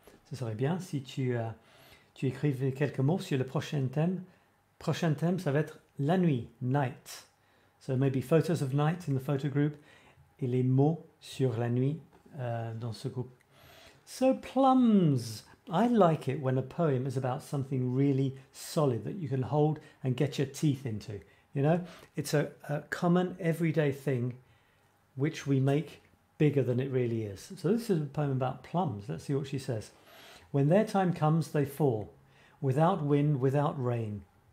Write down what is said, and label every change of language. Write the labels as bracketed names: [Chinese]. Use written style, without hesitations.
[French] Ce serait bien si tu écrivais quelques mots sur le prochain thème. Prochain thème, ça va être la nuit, night. [English] So maybe photos of night in the photo group. [French] Et les mots sur la nuit dans ce groupe. [English] So plums. I like it when a poem is about something really solid that you can hold and get your teeth into. You know, it's a common everyday thing which we make bigger than it really is. So this is a poem about plums. Let's see what she says. When their time comes, they fall, without wind, without rain.